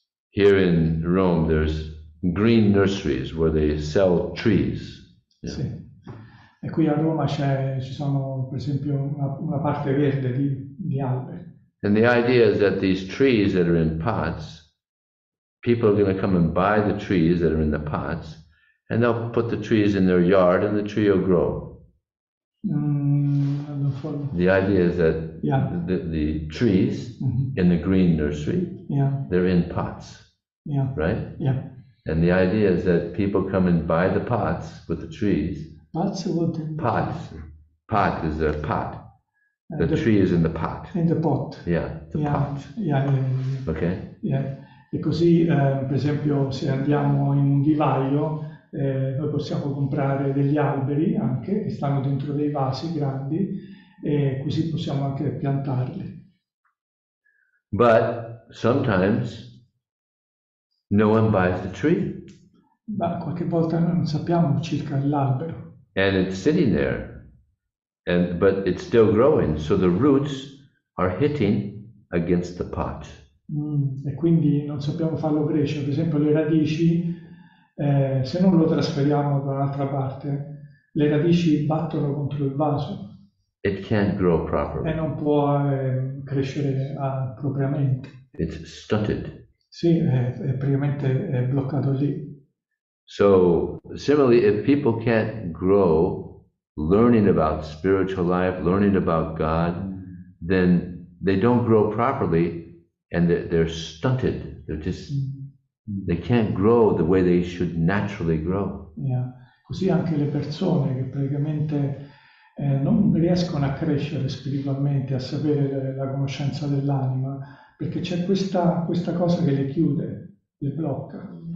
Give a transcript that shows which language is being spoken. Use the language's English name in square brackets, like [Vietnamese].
[English] Here in Rome there's green nurseries where they sell trees. Yeah. [Italian] Sì. E qui a Roma c'è ci sono per esempio una parte verde di alberi. [English] And the idea is that these trees that are in pots, people are going to come and buy the trees that are in the pots, and they'll put the trees in their yard and the tree will grow. I don't follow. The idea is that the trees mm-hmm. in the green nursery, they're in pots, right? Yeah. And the idea is that people come and buy the pots with the trees. Pots or what? Pots. Pot is a pot. The tree is in the pot. In the pot. Yeah, the pot. Yeah. Okay. Yeah. [Italian] E così, per esempio, se andiamo in un vivaio, noi possiamo comprare degli alberi anche, che stanno dentro dei vasi grandi, e così possiamo anche piantarli. [English] But sometimes no one buys the tree. [Italian] Ma qualche volta noi non sappiamo circa l'albero. [English] And it's sitting there. But it's still growing, so the roots are hitting against the pot. [Italian] E quindi non sappiamo farlo crescere. Per esempio, le radici, se non lo trasferiamo da un'altra parte, le radici battono contro il vaso. [English] It can't grow properly. [Italian] E non può crescere propriamente. [English] It's stunted. [Italian] Sì, è praticamente è bloccato lì. [English] So, similarly, if people can't grow learning about spiritual life, learning about God, then they don't grow properly and they're stunted. They're just, they can't grow the way they should naturally grow. Yeah. [Italian] Così anche le persone che praticamente non riescono a crescere spiritualmente, a sapere la conoscenza dell'anima, perché c'è questa cosa che le chiude, le blocca.